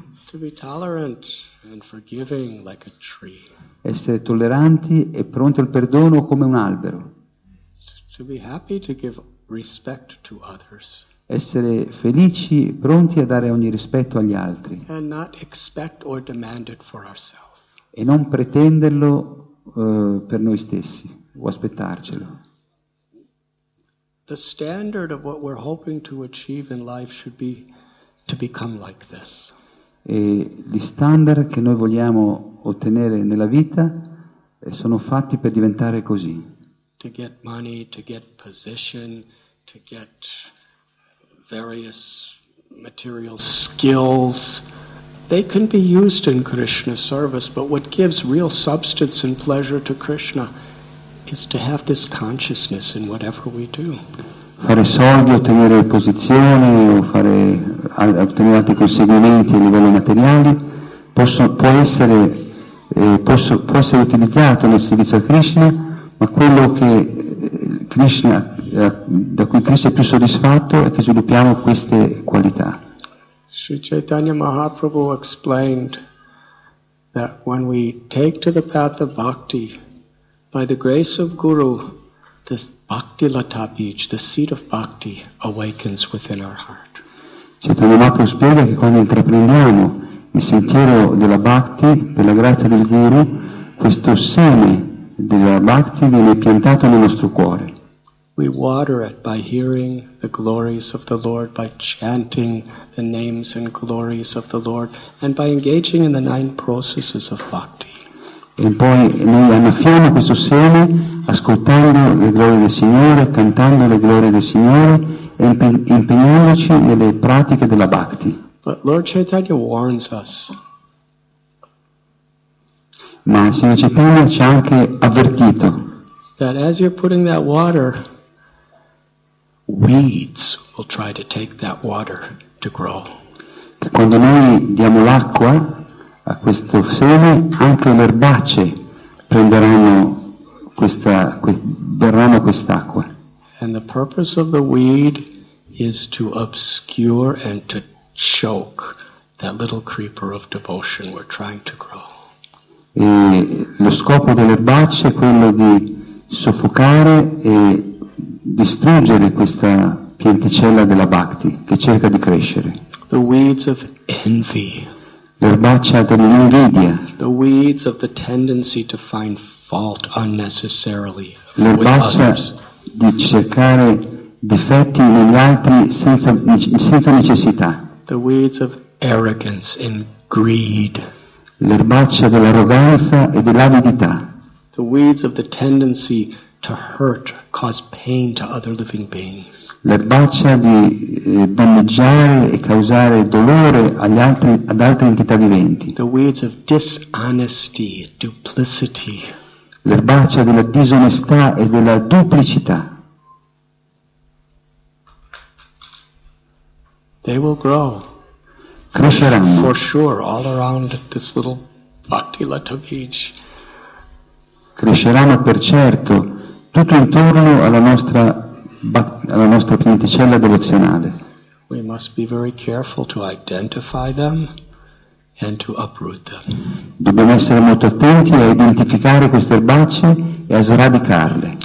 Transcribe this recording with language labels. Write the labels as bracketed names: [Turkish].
[English] To be tolerant and forgiving like a tree. [Italian] Essere tolleranti e pronti al perdono come un albero. [English] To be happy to give respect to others. [Italian] Essere felici, pronti a dare ogni rispetto agli altri. [English] And not expect or demand it for ourselves. [Italian] E non pretenderlo per noi stessi o aspettarcelo. [English] The standard of what we're hoping to achieve in life should be to become like this. [Italian] E gli standard che noi vogliamo ottenere nella vita sono fatti per diventare così. [English] To get money, to get position, to get various material skills. They can be used in Krishna's service, but what gives real substance and pleasure to Krishna is to have this consciousness in whatever we do. [Italian] Fare soldi, ottenere posizioni, o fare ottenere altri conseguimenti a livello materiale può essere utilizzato nel servizio a Krishna, ma quello che Krishna, da cui Krishna è più soddisfatto, è che sviluppiamo queste qualità. [English] Sri Chaitanya Mahaprabhu explained that when we take to the path of bhakti, by the grace of Guru, the bhakti lata bij, the seed of bhakti, awakens within our heart. [Italian] Chaitanya Mahaprabhu spiega che quando intraprendiamo il sentiero della bhakti, per la grazia del Guru, questo seme della bhakti viene piantato nel nostro cuore. [English] We water it by hearing the glories of the Lord, by chanting the names and glories of the Lord, and by engaging in the nine processes of bhakti. [Italian] E poi noi annaffiamo questo seme ascoltando le glorie del Signore, cantando le glorie del Signore e impegnandoci nelle pratiche della Bhakti. [English] But Lord Chaitanya warns us. [Italian] Ma il Signore Chaitanya ci ha anche avvertito [English] that as you're putting that water, weeds will try to take that water to grow. [Italian] Che quando noi diamo l'acqua a questo seme, anche le erbacce prenderanno questa, berranno quest'acqua. [English] And the purpose of the weed is to obscure and to choke that little creeper of devotion we're trying to grow. [Italian] E lo scopo delle erbacce è quello di soffocare e distruggere questa pianticella della Bhakti che cerca di crescere. [English] The weeds of envy. [Italian] L'erbaccia dell'invidia. [English] The weeds of the tendency to find fault unnecessarily. [Italian] L'erbaccia di cercare difetti negli altri senza necessità. [English] The weeds of arrogance and greed. [Italian] L'erbaccia dell'arroganza e dell'avidità. [English] The weeds of the tendency to hurt, cause pain to other living beings. [Italian] L'erbaccia di danneggiare e causare dolore agli altri, ad altre entità viventi. [English] The weeds of dishonesty, duplicity. [Italian] L'erbaccia della disonestà e della duplicità. [English] They will grow. [Italian] Cresceranno. [English] For sure, all around this little Bhattilata beach. [Italian] Cresceranno per certo tutto intorno alla nostra pianticella devozionale. [English] We must be very careful to identify them and to uproot them. [Italian] Dobbiamo essere molto attenti a identificare queste erbacce e a sradicarle.